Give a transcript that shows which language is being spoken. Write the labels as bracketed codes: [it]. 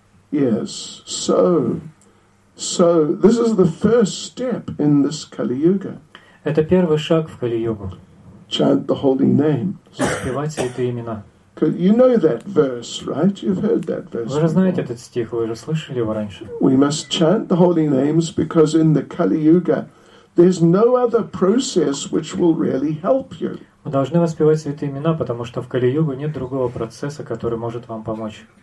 [en] Yes, so this is the first step in this Kali Yuga. [ru] Это первый шаг в Кали-Югу. [en] Chant the holy name. [ru] Воспевать святые имена. [en] You know that verse, right? You've heard that verse. [ru] Вы же знаете этот стих, вы же слышали его раньше. [en] We must chant the holy names because in the Kali Yuga there's no other process which will really help you. [ru] Мы должны воспевать святые имена, потому что в Кали-Югу нет другого процесса, который может вам помочь.